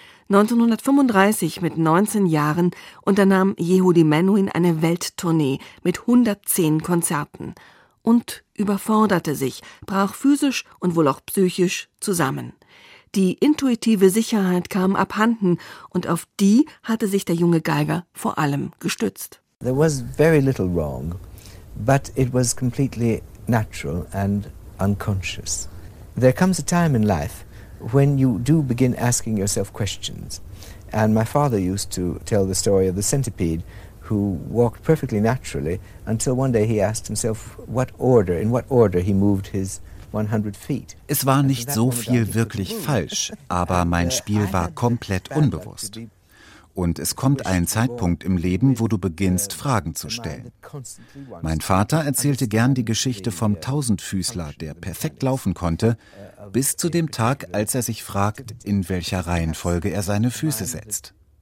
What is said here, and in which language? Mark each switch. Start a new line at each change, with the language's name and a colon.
German: 1935 mit 19 Jahren unternahm Yehudi Menuhin eine Welttournee mit 110 Konzerten und überforderte sich, brach physisch und wohl auch psychisch zusammen. Die intuitive Sicherheit kam abhanden und auf die hatte sich der junge Geiger vor allem gestützt.
English: There was very little wrong, but it was completely natural and unconscious. There comes a time in life when you do begin asking yourself questions. And my father used to tell the story of the centipede who walked perfectly naturally until one day he asked himself in what order he moved his 100 feet.
German: Es war nicht so viel wirklich falsch, aber mein Spiel war komplett unbewusst. Und es kommt ein Zeitpunkt im Leben, wo du beginnst, Fragen zu stellen. Mein Vater erzählte gern die Geschichte vom Tausendfüßler, der perfekt laufen konnte, bis zu dem Tag, als er sich fragt, in welcher Reihenfolge er seine Füße setzt.